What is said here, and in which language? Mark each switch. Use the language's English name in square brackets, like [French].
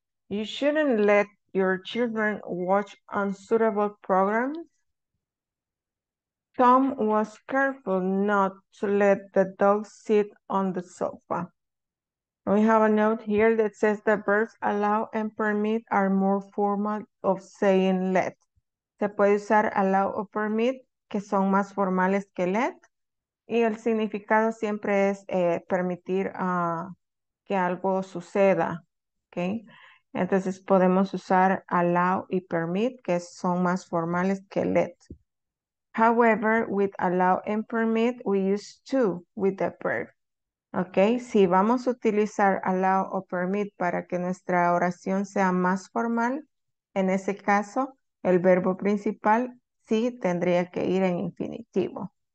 [English] You shouldn't let your children watch unsuitable programs. Tom was careful not to let the dog sit on the sofa. We have a note here that says the verbs allow and permit are more formal of saying let. [Spanish] Se puede usar allow o permit, que son más formales que let. Y el significado siempre es permitir que algo suceda. Okay? Entonces podemos usar allow y permit, que son más formales que let. [English] However, with allow and permit, we use to with the verb. [Spanish] Okay, si vamos a utilizar allow o permit para que nuestra oración sea más formal, en ese caso, el verbo principal sí tendría que ir en infinitivo.